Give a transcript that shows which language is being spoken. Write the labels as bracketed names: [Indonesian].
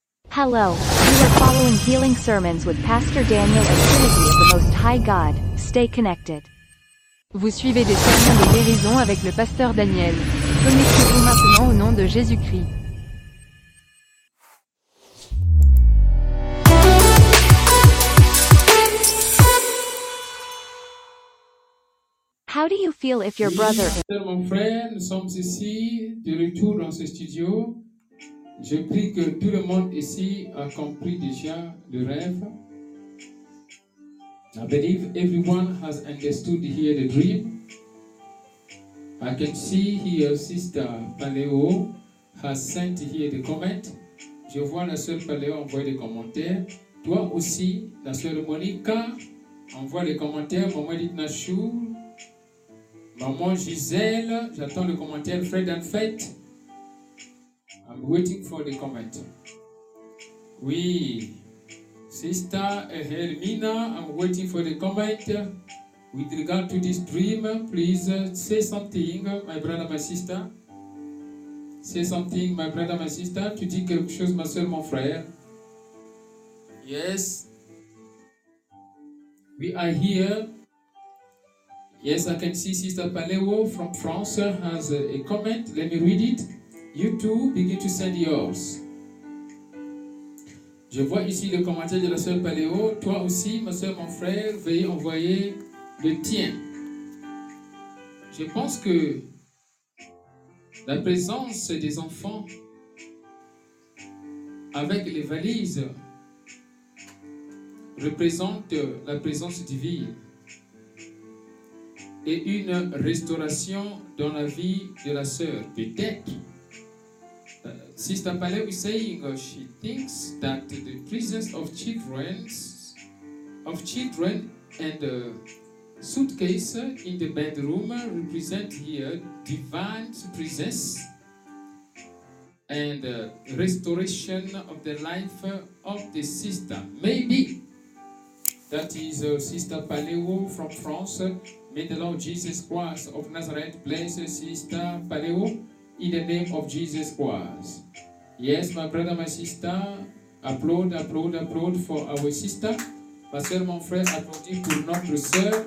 [English] Hello, you are following Healing Sermons with Pastor Daniel and Trinity of the Most High God. Stay connected. [French] Vous suivez des sermons de guérison avec le pasteur Daniel. Connectez-vous maintenant au nom de Jésus-Christ. [English] How do you feel if your brother... [French] Oui, mon frère, nous sommes ici, de retour dans ce studio. Je prie que tout le monde ici a compris déjà le rêve. [English] I believe everyone has understood here the dream. I can see here Sister Paléo has sent here the comment. [French] Je vois la sœur Paléo envoyer des commentaires. Toi aussi, la sœur Monica envoie des commentaires. Maman Edith Nashou, Maman Gisèle, j'attends le commentaire. [English] Fred and Fate, I'm waiting for the comment. [French] Oui. [English] Sister Hermina, I'm waiting for the comment. With regard to this dream, please say something, my brother, my sister. Say something, my brother, my sister. [French] Tu dis quelque chose, ma soeur, mon frère. [English] Yes. We are here. Yes, I can see Sister Paléo from France has a comment. Let me read it. You too, begin to send yours. [French] Je vois ici le commentaire de la sœur Paléo. Toi aussi, ma sœur, mon frère, veuillez envoyer le tien. Je pense que la présence des enfants avec les valises représente la présence divine et une restauration dans la vie de la sœur. Peut-être. [English] Sister Paléo is saying she thinks that the presence of children and a suitcase in the bedroom represent here divine presence and restoration of the life of the sister. Maybe that is Sister Paléo from France. May the Lord Jesus Christ of Nazareth bless Sister Paléo in the name of Jesus Christ. Yes, my brother, my sister, applaud for our sister. [French] Ma soeur, mon frère, applaudis pour notre soeur.